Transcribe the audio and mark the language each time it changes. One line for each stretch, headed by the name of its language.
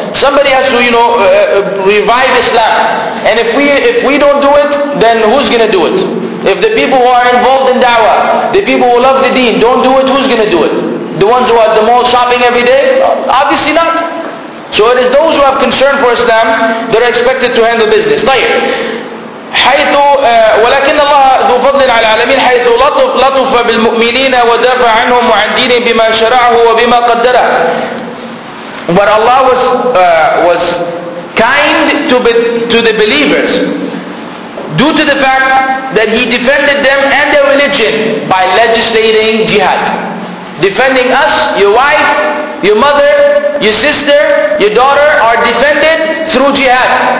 English: Somebody has to, you know, revive Islam. And if we don't do it, then who's going to do it? If the people who are involved in da'wah, the people who love the deen, don't do it, who's going to do it? The ones who are at the mall shopping every day? Obviously not. So it is those who have concern for Islam that are expected to handle business.
Arabic: طيب. حيث ولكن الله ذو فضل على العالمين حيث لطف بالمؤمنين ودافع عنهم وعن دينهم بما شرعه وبما قدره.
English: But Allah was kind to the believers due to the fact that He defended them and their religion by legislating jihad. Defending us, your wife, your mother, your sister, your daughter are defended through jihad.